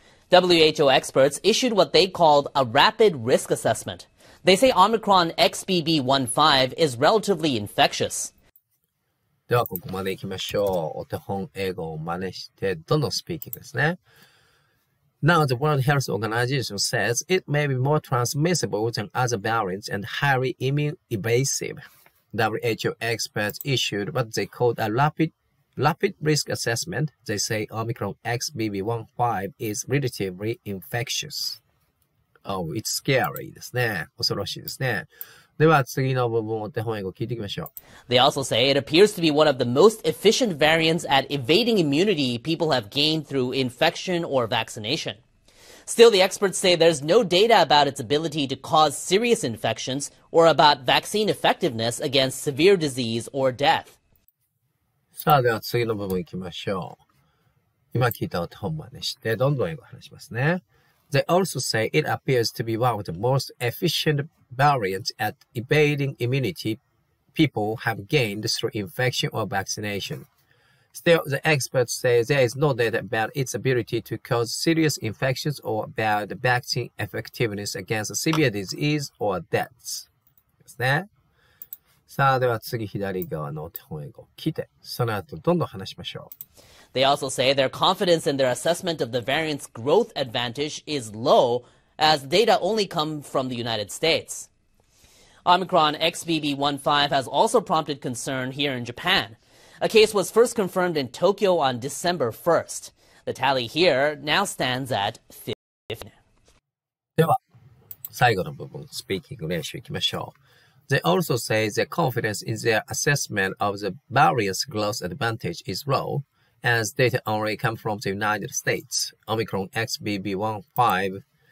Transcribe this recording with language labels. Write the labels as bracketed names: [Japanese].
[English] WHO experts issued what they called a rapid risk assessment. They say Omicron XBB15 is relatively infectious. [Japanese] ではここまで行きましょう。お手本英語を真似してどんどんスピーキングですね。 [English] Now, the World Health Organization says it may be more transmissible than other variants and highly immune-evasive. WHO experts issued what they called a rapid risk assessment. They say Omicron XBB15 is relatively infectious. Oh, it's scary [Japanese] ですね。恐ろしいですね。では次の部分を手本英語聞いていきましょう。 [English] They also say it appears to be one of the most efficient variants at evading immunity people have gained through infection or vaccination. Still, the experts say there's no data about its ability to cause serious infections or about vaccine effectiveness against severe disease or death. [Japanese] さあでは次の部分いきましょう。今聞いたお手本真似してどんどん英語話しますね。 [English] They also say it appears to be one of the most efficient variants at evading immunity people have gained through infection or vaccination. Still, the experts say there is no data about its ability to cause serious infections or about vaccine effectiveness against severe disease or deaths. [Japanese] ですね。さあ、では次左側の手本英語を聞いて、その後どんどん話しましょう。 [English] They also say their confidence in their assessment of the variant's growth advantage is low, as data only come from the United States. Omicron XBB15 has also prompted concern here in Japan. A case was first confirmed in Tokyo on December 1st. The tally here now stands at 15. [Japanese] では、最後の部分、スピーキング練習いきましょう。 [English] They also say their confidence in their assessment of the variant's growth advantage is low. As data only come from the United States, Omicron XBB15